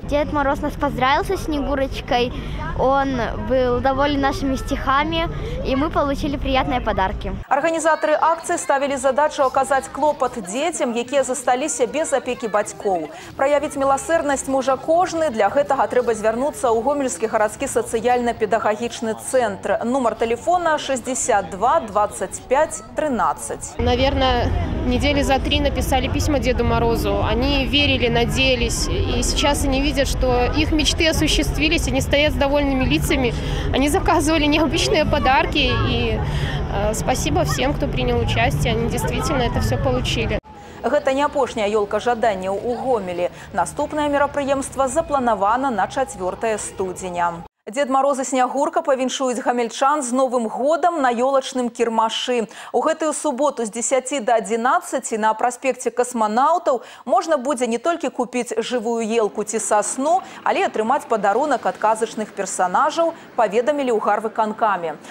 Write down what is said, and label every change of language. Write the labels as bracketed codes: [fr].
[be] Дзед Мароз нас паздравіў са Снегурачкай, он быў даволі нашымі стіхамі, і мы получылі прыятныя падаркі. Арганізатары акцыі ставілі задачу аказаць клопат дзецям, якія засталіся без апекі бацькоў. Праявіць міласэрнасць можа кожны, для гэтага трэба звярнуцца ў Гомельскі гарадскі сацыяльна-педагагічны цэнтр. Нумар телефона 62 25 13. [ru] Наверное, недели за три написали письма Деду Морозу. Они верили, надеялись. И сейчас они видят, что их мечты осуществились, они стоят с довольными лицами. Они заказывали необычные подарки. И спасибо всем, кто принял участие. Они действительно это все получили. [be] Гэта не апошняя ёлка жаданняў у Гомелі. Наступнае мерапрыемства запланавана на 4 студзеня. Дзед Мароз і Снягурка павіншуюць гамельчан з Новым годам на ёлачным кірмашы. У гэтую суботу з 10 до 11 на праспекце касманаўтаў можна будзе не толькі купіць жывую елку ці сасну, але і атрымаць падарунак ад казачных персанажаў, паведамілі ў гарвыканкаме.